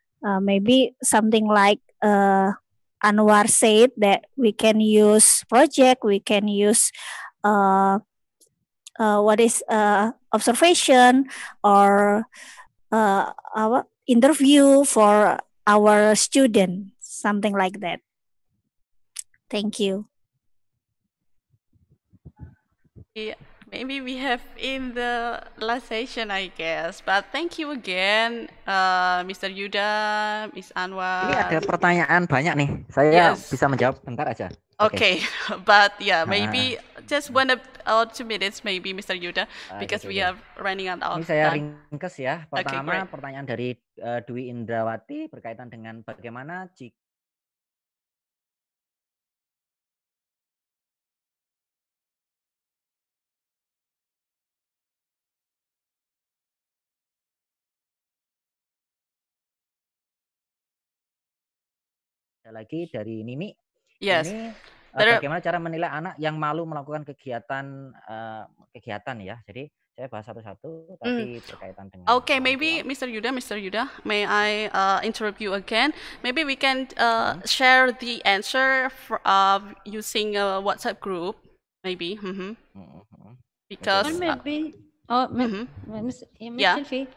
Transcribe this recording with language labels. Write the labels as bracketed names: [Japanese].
[English] Maybe something like Anwar said that we can use project, we can use observation or our interview for our student, something like that. Thank you. Yeah. Maybe we have in the last session, I guess. But thank you again, Mr. Yuda, Miss Anwar. [Indonesian] Ini ada pertanyaan banyak nih. Saya yes. bisa menjawab bentar aja. [English] Okay. But yeah, maybe just one or two minutes, maybe Mr. Yuda, because we are running out of time. [Indonesian] Ini saya ringkes ya. Pertama, okay, pertanyaan dari Dwi Indrawati berkaitan dengan bagaimana jika lagi dari Nimi. [English] Yes. [Indonesian] Ini bagaimana cara menilai anak yang malu melakukan kegiatan kegiatan ya. Jadi saya bahas satu-satu tapi berkaitan dengan. [English] Okay, maybe Mr. Yuda, may I interrupt you again? Maybe we can share the answer using a WhatsApp group, maybe. Because maybe Ms. Sylvie.